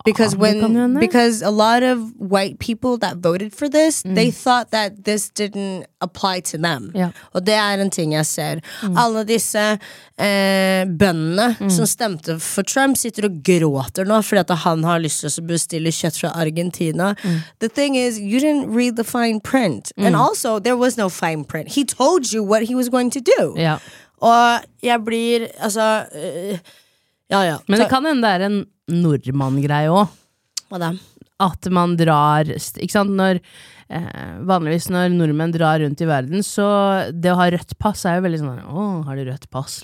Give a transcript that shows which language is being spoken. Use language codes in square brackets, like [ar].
[en] because when because a lot of white people that voted for this, they thought that this didn't apply to them. [no] Ja. Og det en ting jeg ser. Alle disse bønnene som stemte for Trump sitter og gråter nå fordi at han har lyst til å bestille kjøtt fra Argentina. [en] The thing is, you didn't read the fine print. And also, there was no fine print. He told you what he was going to do. [no] Ja. Og jeg blir, altså... Ja, ja. Men det kan hende det er en nordmann-greie også. Hva da? At man drar, ikke sant? Når, vanligvis når nordmenn drar rundt i verden, så det å ha rødt pass er jo veldig sånn, åh, har du rødt pass?